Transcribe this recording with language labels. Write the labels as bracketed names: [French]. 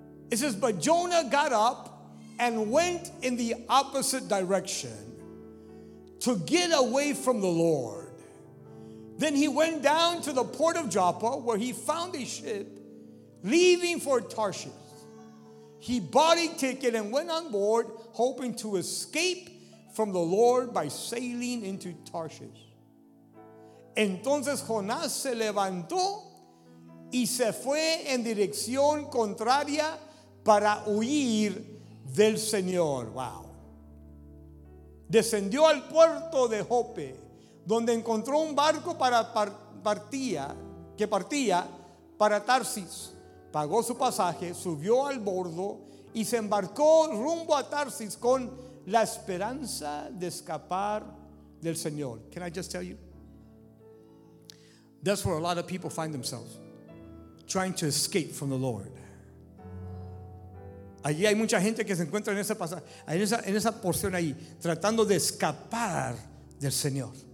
[English] It says, but Jonah got up and went in the opposite direction to get away from the Lord. Then he went down to the port of Joppa, where he found a ship leaving for Tarshish. He bought a ticket and went on board, hoping to escape from the Lord by sailing into Tarshish. [Spanish] Entonces Jonás se levantó y se fue en dirección contraria para huir del Señor. [English] Wow. [Spanish] Descendió al puerto de Joppe, donde encontró un barco para partía para Tarsis. Pagó su pasaje, subió al bordo y se embarcó rumbo a Tarsis con la esperanza de escapar del Señor. [English] Can I just tell you? That's where a lot of people find themselves, trying to escape from the Lord. [Spanish] Allí hay mucha gente que se encuentra en esa porción ahí, tratando de escapar del Señor.